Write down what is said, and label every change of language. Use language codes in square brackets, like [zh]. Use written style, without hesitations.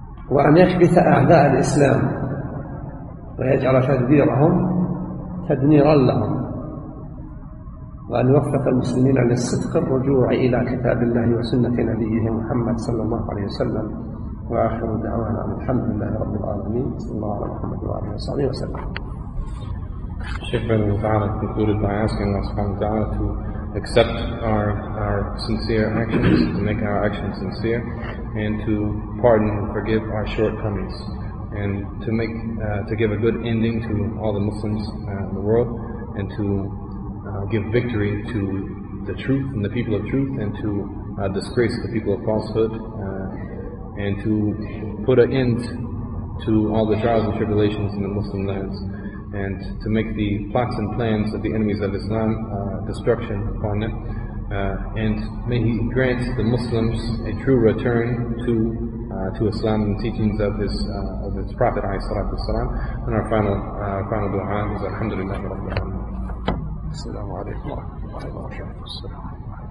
[ar] وأن يحبث أعداء الإسلام ويجعل تدبيرهم تدميرا لهم، وأن يوفق المسلمين للصدق الرجوع إلى كتاب الله وسنة نبيه محمد صلى الله عليه وسلم. وآخر دعوانا عن الحمد لله رب العالمين، صلى الله على محمد وعلى آله وصحبه وسلم. [en] Sheikh bin Ta'ala concluded by asking Allah subhanahu wa ta'ala to accept our sincere actions, to make our actions sincere, and to pardon and forgive our shortcomings, and to make to give a good ending to all the Muslims in the world, and to give victory to the truth and the people of truth, and to disgrace the people of falsehood, and to put an end to all the trials and tribulations in the Muslim lands, and to make the plots and plans of the enemies of Islam destruction upon them. And may he grant the Muslims a true return to to Islam and teachings of his Prophet [ar] عليه الصلاة والسلام. [en] And our final final dua is Alhamdulillah Rabbil Alameen. [ar] السلام عليكم ورحمة الله وبركاته.